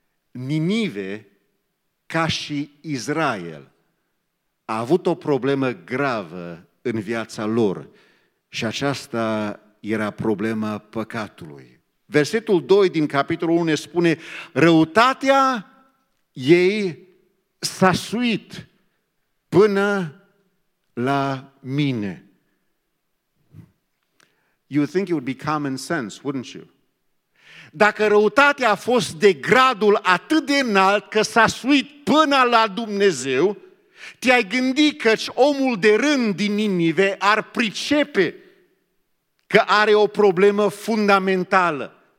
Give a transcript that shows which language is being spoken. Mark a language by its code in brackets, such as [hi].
[ro] Ninive, ca și Israel, a avut o problemă gravă în viața lor și aceasta era problema păcatului. Versetul 2 din capitolul 1 spune: Răutatea ei s-a suit până la mine. [en] You think it would be common sense, wouldn't you? [ro] Dacă răutatea a fost de gradul atât de înalt că s-a suit până la Dumnezeu, te-ai gândi căci omul de rând din Ninive ar pricepe că are o problemă fundamentală.